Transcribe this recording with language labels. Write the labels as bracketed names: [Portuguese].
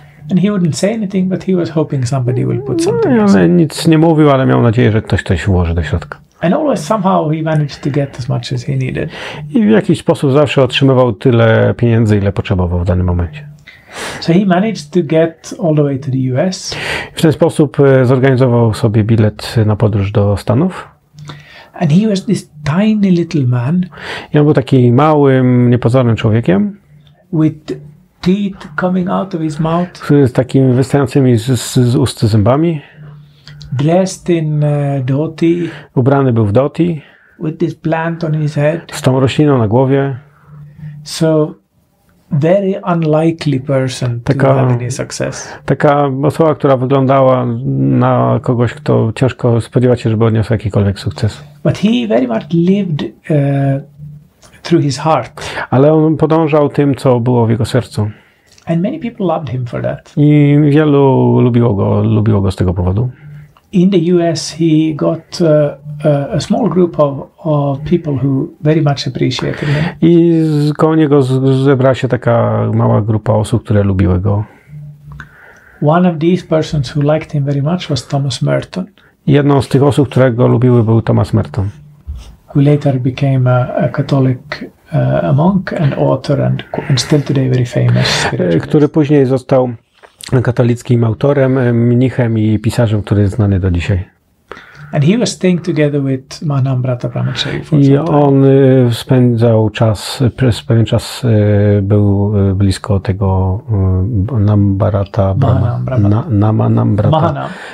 [English] And he wouldn't say anything, but he was hoping somebody will put something. [Polish] No, ale nic nie mówił, ale miał nadzieję, że ktoś coś włoży do środka. [English] And always somehow he managed to get as much as he needed. [Polish] I w jakiś sposób zawsze otrzymywał tyle pieniędzy, ile potrzebował w danym momencie. [English] So he managed to get all the way to the US. [Polish] W ten sposób zorganizował sobie bilet na podróż do Stanów. [English] And he was this tiny little man. [Polish] I on był taki małym, niepozornym człowiekiem. [English] With teeth coming out of his mouth. [Polish] Z takimi wystającymi z ust zębami. [English] Dressed in dhoti. [Polish] Ubrany był w dhoti. [English] With this plant on his head. [Polish] Z tą rośliną na głowie. [English] So very unlikely person [Polish] taka, [English] to have any success. [Polish] Taka osoba, która wyglądała na kogoś, kto ciężko spodziewać się, żeby odniósł jakikolwiek sukces. [English] But he very much lived through his heart. [Polish] Ale on podążał tym, co było w jego sercu. [English] And many people loved him for that. [Polish] I wielu lubiło go z tego powodu. [English] In the US he got a small group of people who very much appreciated him. [Polish] I koło niego zebrała się taka mała grupa osób, które lubiły go. [English] One of these persons who liked him very much was Thomas Merton. [Polish] Jedną z tych osób, które go lubiły, był Thomas Merton. [English] Who later became a Catholic a monk and author and still today very famous. [Polish] Który później został katolickim autorem, mnichem i pisarzem, który jest znany do dzisiaj. [English] And he was staying together with Mahanambrata Brahmachari. [Polish] I on spędzał czas, przez pewien czas był blisko tego Nambarata Mahanambrata.